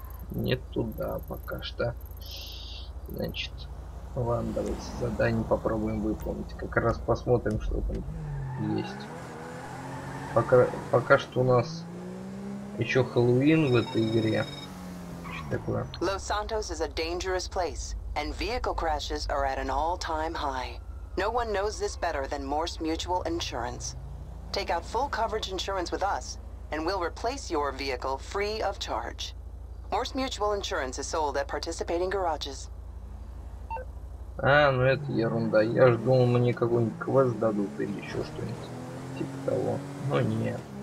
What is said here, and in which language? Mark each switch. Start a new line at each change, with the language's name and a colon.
Russian: Не туда пока что. Значит, ладно, давайте задание попробуем выполнить. Как раз посмотрим, что там есть. Пока что у нас еще Хэллоуин в этой игре. Что такое?
English: Los Santos is a dangerous place, and vehicle crashes are at an all-time high. No one knows this better than Morse Mutual Insurance. Take out full coverage insurance with us, and we'll replace your vehicle free of charge. Morse Mutual Insurance is sold at participating garages.
Russian: А, ну это ерунда. Я ж думал, мне какой-нибудь квест дадут или еще что-нибудь. Типа того. Но нет.